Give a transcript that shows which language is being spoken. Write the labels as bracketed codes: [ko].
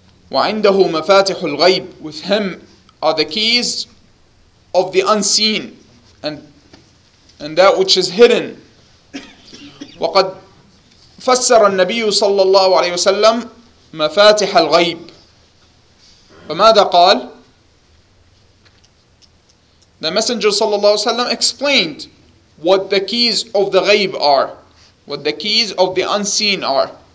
[ar] وعنده مفاتح الغيب. [en] With him are the keys of the unseen and that which is hidden. [ar] وقد فسر النبي صلى الله عليه وسلم مفاتح الغيب. فماذا قال؟ [en] The Messenger صلى الله عليه وسلم explained what the keys of the ghaib are, what the keys of the unseen are.